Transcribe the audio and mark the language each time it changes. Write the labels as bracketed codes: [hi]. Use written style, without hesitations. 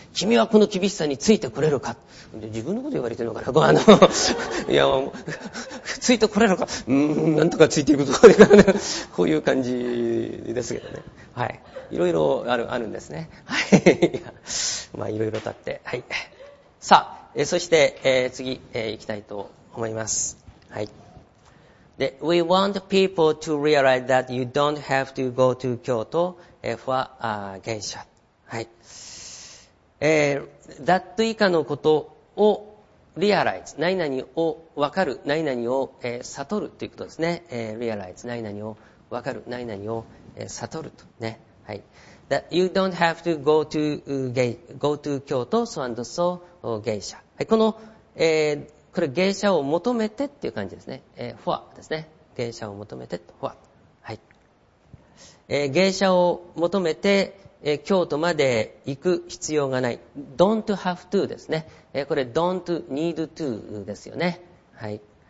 [ja] 君はこの厳しさについてこれるか、自分のこと言われてるのかな、こういやついてこれるか、なんとかついていくぞこういう感じですけどね、はい、いろいろあるんですね、はい、まあいろいろとあって、はい、さあ、そして、次、いきたいと思います、はい。 [en] We want people to realize that you don't have to go to Kyoto for a geisha. [ja] はい。That 以下のことを realize、何々を分かる、何々を、悟るということですね。 realize、何々を分かる、何々を、悟るとね。はい。 [en] That you don't have to go to Kyoto, so and so geisha。 [ja] はい。この、これ芸者を求めてっていう感じですね、フォアですね、芸者を求めてフォア、はい。芸者を求めて、京都まで行く必要がない、 [en] don't have to [ja] ですね、これ [en] don't need to [ja] ですよね、はい。